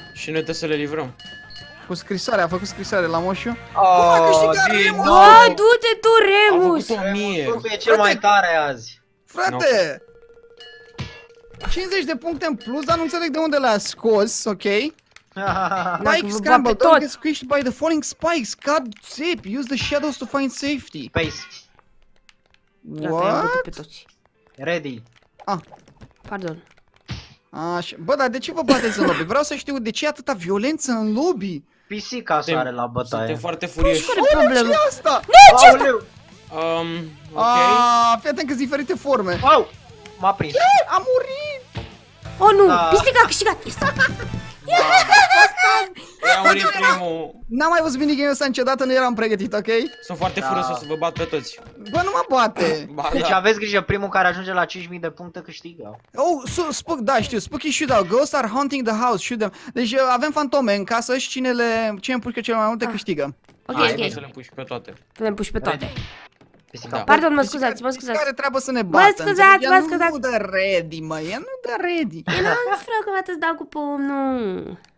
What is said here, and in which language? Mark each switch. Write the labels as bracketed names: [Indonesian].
[Romanian] Și noi trebuie să le livrăm. Cu scrisoare, a făcut scrisoare la Moșu. Du-te tu, Remus! A făcut tu e cel mai tare azi. Frate! 50 de puncte în plus, dar nu înțeleg de unde le-a scos, ok? [English] Mike Scramble, don't get squished by the falling spikes, cut zip, use the shadows to find safety. Space. What? Ready. [Romanian] Pardon. Așa. Bă, dar de ce vă bateți în lobby? Vreau să știu de ce e atâta violență în lobby. Pisica asta are la bătaie. Suntem foarte furioși. Nu știu ce e asta. Nu, ce asta? Ok. Fii atent că-s diferite forme. Wow. M-a prins. A murit. Oh, nu! Da. Pisica a câștigat! Yes. Da. N-am mai văzut minigame-ul ăsta niciodată, nu eram pregătit, ok? Sunt foarte furos, o să vă bat pe toți. Bă, nu mă bate! Deci aveți grijă, primul care ajunge la 5000 de puncte câștigă. [English] Oh, spook, da, știu, spooky shootout, ghosts are haunting the house, shoot them. [Romanian] Deci avem fantome în casă și cine le împușcă cele mai multe câștigă. Ok, ok. Să le împuși pe toate. Să le împuși pe toate. Pardon, mă scuzați, mă scuzați. Care treabă să ne bată? Mă scuzați, mă scuzați. Nu dă ready, mă, ea nu dă ready. Nu-mi vreau că v-ați dau cu pumnul.